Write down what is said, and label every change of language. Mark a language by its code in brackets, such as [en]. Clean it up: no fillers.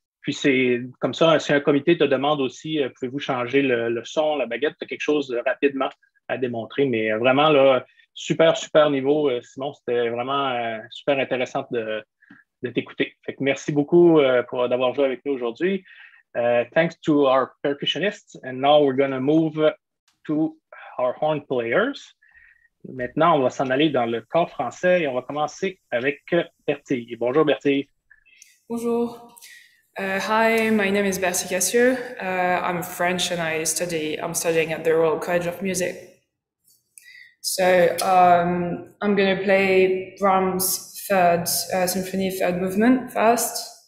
[fr] Puis c'est comme ça, si un comité te demande aussi, pouvez-vous changer le son, la baguette, tu as quelque chose rapidement à démontrer, mais vraiment, là, super, super niveau, Simon, c'était vraiment super intéressant de t'écouter. Fait que merci beaucoup d'avoir joué avec nous aujourd'hui. [en] Thanks to our percussionists, and now we're going to move to our horn players. [fr] Maintenant, on va s'en aller dans le corps français et on va commencer avec Bertille. Bonjour, Bertille. Bonjour. [en] Hi, my name is Bertille Cascio. I'm French and I'm studying at the Royal College of Music. So I'm going to play Brahms' symphony third movement first.